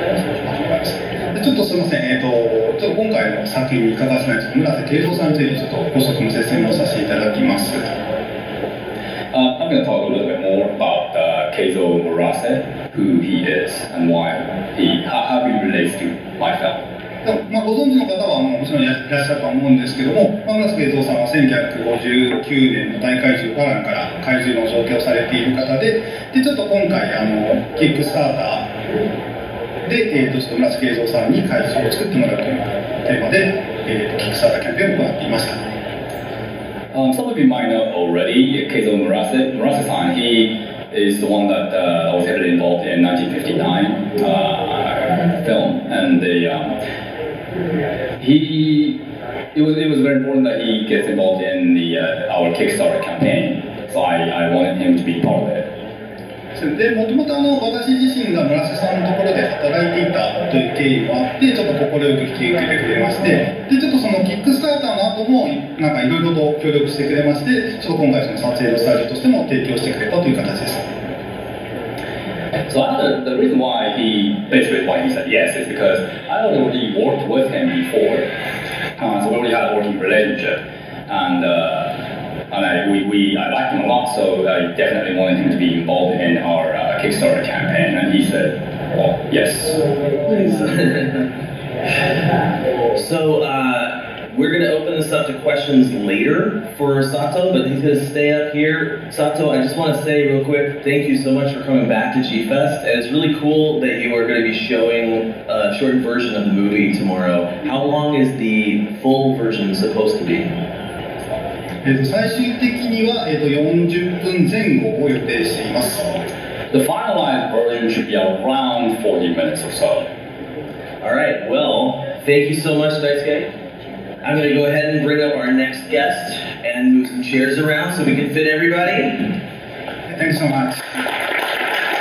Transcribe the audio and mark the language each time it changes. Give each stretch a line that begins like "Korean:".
Japanese: ちょっとすみません、ちょっと今回の作品に伺わせないんですけど、村瀬慶三さんについてちょっと補足の説明をさせていただきます。
English: I'm going to talk a little bit more about Keizo Murase, who he is and why he, how he relates to my film.
Japanese: まあ、ご存知の方はもちろんいらっしゃると思うんですけども、村瀬慶三さんは1959年の大怪獣バランから怪獣の造形をされている方 で、ちょっと今回キックスターターで、ちょっと村瀬慶三さんに怪獣を作ってもらうというテーマで、キックスターターキャンペーンを行っていました。
English: Some of you might know already Keizo Murase さん、 he is the one that was heavily involved in 1959 film and theIt was very important that he gets involved in the our Kickstarter campaign, so I wanted him to be part of it.
Japanese: で、もともと私自身が村瀬さんのところで働いていたという経緯もあって、ちょっと心よく引き受けてくれまして、で、ちょっとそのキックスターターの後もなんかいろいろと協力してくれまして、ちょっと今回その撮影のスタジオとしても提供してくれたという形です。
English: So the reason why he, basically why he said yes is because I already worked with him before. So we already had a working relationship. And I liked him a lot, so I definitely wanted him to be involved in our Kickstarter campaign. And he said, well, yes. So we're going to open this up to questions later for Sato, but he's going to stay up here. Sato, I just want to say real quick, thank you so much for coming back to G-Fest. And it's really cool that you are going to be showing a short version of the movie tomorrow. How long is the full version supposed to be?
Japanese: 最終的には40分前後を予定しています。
English: The finalized version should be around 40 minutes or so. All right, well, thank you so much, Daisuke. I'm going to go ahead and bring up our next guest and move some chairs around so we can fit everybody. Thanks so much.